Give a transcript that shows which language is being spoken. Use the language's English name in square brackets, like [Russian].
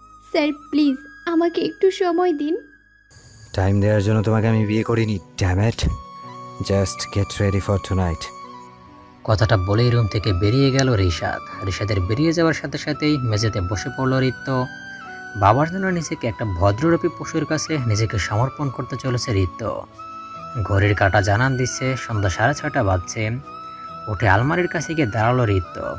[English] Sir, please, [Bangla] আমাকে একটু সময় দিন। Time দেওয়ার জন্য তোমাকে আমি বিয়ে করিনি, [English] damn it. Just get ready for tonight. [Bangla] কথাটা বলেই রুম থেকে বেরিয়ে গেল রেশাদ। রেশাদের বেরিয়ে যাওয়ার সাথে সাথেই মেঝেতে বসে পড়ল রিত্য। বাবার জন্য নিজেকে একটা ভদ্ররূপী পশুর কাছে নিজেকে সমর্পণ করতে চলেছে রিত্য। ঘড়ির কাঁটা জানান দিচ্ছে 6:30 বাজছে। উঠে আলমারির কাছে গিয়ে দাঁড়ালো রিত্য।